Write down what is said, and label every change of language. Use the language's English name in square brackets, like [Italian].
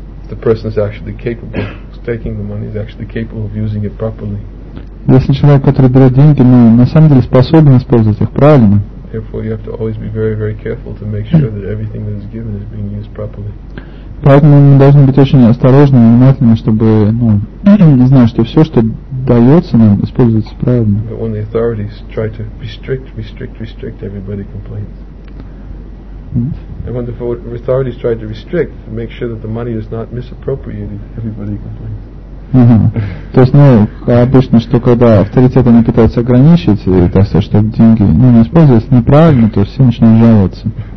[English] The person is actually capable of taking the money, is actually capable of using it properly. [Russian] Если человек, который берет деньги, ну, на самом деле способен использовать их правильно. [English] Therefore, you have to always be very, very careful to make sure that everything that is given is being used properly. [Russian] Поэтому мы должны быть очень осторожными и внимательными, чтобы, ну, не знаю, что все, что дается нам, используется правильно. [English] But when the authorities try to restrict, everybody complains. And when the authorities try to restrict, make sure that the money is not misappropriated, everybody complains. [Russian] То есть, ну, обычно, что когда авторитет они пытаются ограничить, и так сказать, чтобы деньги ну, не использовались неправильно, то все начинают жаловаться.